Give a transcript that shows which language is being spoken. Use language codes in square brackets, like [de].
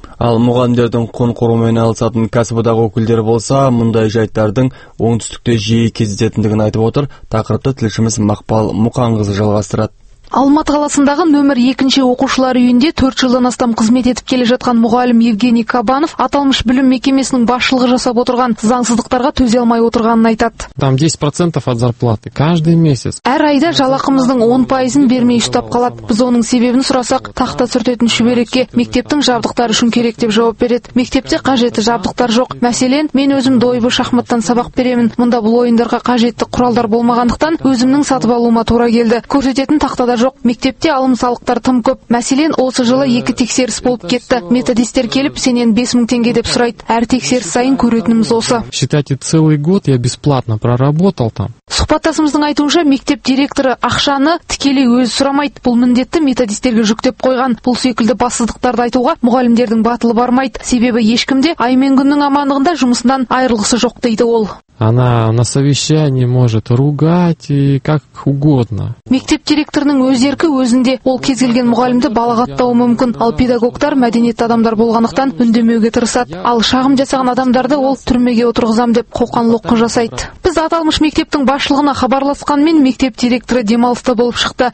[kk] Ал мұғалімдердің құқын қорғаумен айналысатын кәсіподақ өкілдері болса, мұндай жайттардың оңтүстікте жиі кездесетіндігін айтып отыр. Тақырыпты тілшіміз Мақпал Мұқанқызы жалғастырады. Алматы қаласындағы нөмір 2-ші оқушылар үйінде 4 жылдан астам қызмет етіп келе жатқан мұғалім Евгений Кабанов аталмыш білім мекемесінің басшылығы жасап отырған заңсыздықтарға төзе алмай отырғанын айтады. [ru] Там 10% от зарплаты каждый месяц. [kk] Әр айда жалақымыздың 10% бермей ұстап қалады. Біз оның себебін сұрасақ, тақта сүртетін шүберекке мектептің жабдықтары үшін керек деп жауап береді. Мектепте қажетті жабдықтар жоқ. Мәселен, мен өзім дойбы шахматтан сабақ беремін. Мұнда бұл ойындарға қажетті құралдар болмағандықтан өзімнің сатып алуыма тура келді. Көрсететін тақта жоқ. Мектепте алым-салықтар тым көп. Мәселен, осы жылы 2 тексеріс болып кетті. Методистер келіп, сенен 5000 теңге деп сұрайды. Әр тексеріс сайын көретініміз осы. [ru] Считайте, целый год я бесплатно проработал там. [kk] Сұхбаттасымыздың айтуынша, мектеп директоры ақшаны тікелей өзі сұрамайды. Бұл міндетті методистерге жүктеп қойған. Бұл секілді бассыздықтарды айтуға мұғалімдердің батылы бармайды. Себебі ешкімде ай мен күннің амандығында жұмысынан айырылғысы жоқ дейді ол. [ru] Она на совещании может ругать и как угодно. [kk] Мектеп директорының өз еркі өзінде. Ол кез келген мұғалімді балағаттауы мүмкін. Ал педагогтар мәдениетті адамдар болғандықтан үндемеуге тырысады. Ал шағым жасаған адамдарды ол түрмеге отырғызам деп қоқан-лоққы жасайды. Біз аталмыш мектептің басшылығына хабарласқанмен мектеп директоры демалыста болып шықты.